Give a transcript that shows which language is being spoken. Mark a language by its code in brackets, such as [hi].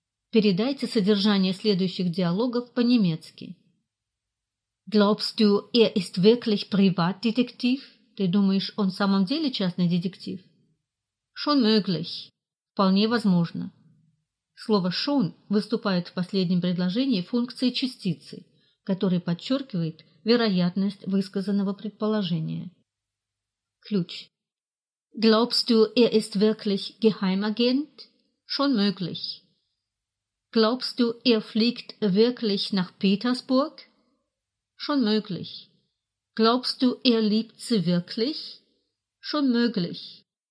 [ru] Передайте содержание следующих диалогов по-немецки. [de] Glaubst du, er ist wirklich Privatdetektiv? [ru] Ты думаешь, он в самом деле частный детектив? [de] Schon möglich. [ru] Вполне возможно. Слово «schon» выступает в последнем предложении функцией частицы, которая подчеркивает вероятность высказанного предположения. Ключ. [de] Glaubst du, er ist wirklich Geheimagent? Schon möglich. Glaubst du, er fliegt wirklich nach Petersburg? Schon möglich. Glaubst du, er liebt sie wirklich? schon möglich.